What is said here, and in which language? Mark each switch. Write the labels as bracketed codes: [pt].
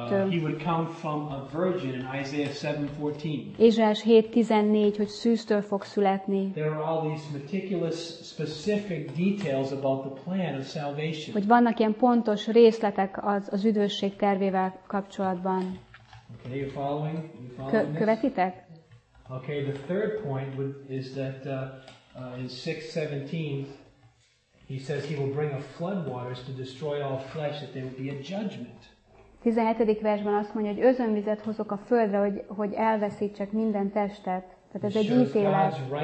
[en] He would come from a virgin in Isaiah 7:14. [hu] Ézsaiás 7:14, hogy szűztől fog születni. [en] There are all these meticulous specific details about the plan of salvation. [hu] Hogy vannak ilyen pontos részletek az üdvösség tervével kapcsolatban. [en] Okay, you following? [hu] Követitek? [en] Okay, the third point is that in 6:17 he says he will bring a flood waters to destroy all flesh, that there will be a judgment. [hu] 17. versben azt mondja, hogy özönvizet hozok a földre, hogy elveszítsek minden testet. Tehát ez egy ítélet.